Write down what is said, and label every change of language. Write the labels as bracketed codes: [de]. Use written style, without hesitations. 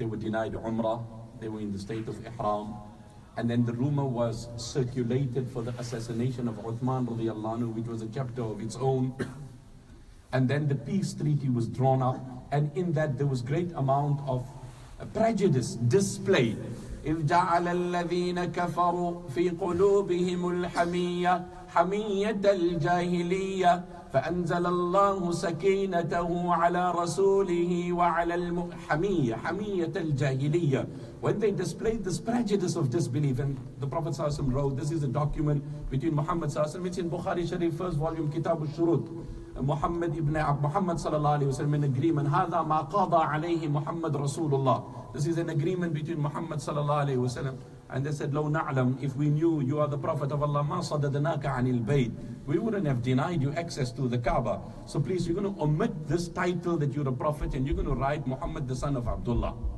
[en] They were denied Umrah, they were in the state of Ihram, and then the rumor was circulated for the assassination of Uthman radiallahu anhu, which was a chapter of its own. And then the peace treaty was drawn up, and in that there was great amount of prejudice displayed. [ar] إِذْ جَعَلَ الَّذِينَ كَفَرُوا فِي قُلُوبِهِمُ الْحَمِيَّةِ حمية الجاهلية فأنزل الله سكينته على رسوله وعلى المحمية حمية الجاهلية. [en] When they displayed this prejudice of disbelief, and the Prophet صلى الله عليه وسلم wrote, this is a document between Muhammad صلى الله عليه وسلم, it's in Bukhari Sharif, first volume, Kitab al-Shurut. Muhammad ibn Muhammad sallallahu alayhi wa sallam in agreement. [ar] هذا ما قضى عليه محمد رسول الله. [en] This is an agreement between Muhammad sallallahu alayhi wa sallam. And they said, [ar] لو نعلم, [en] if we knew you are the Prophet of Allah, [ar] ما صددناك عن البيت. [en] We wouldn't have denied you access to the Kaaba. So please, you're going to omit this title that you're a prophet and you're going to write Muhammad the son of Abdullah.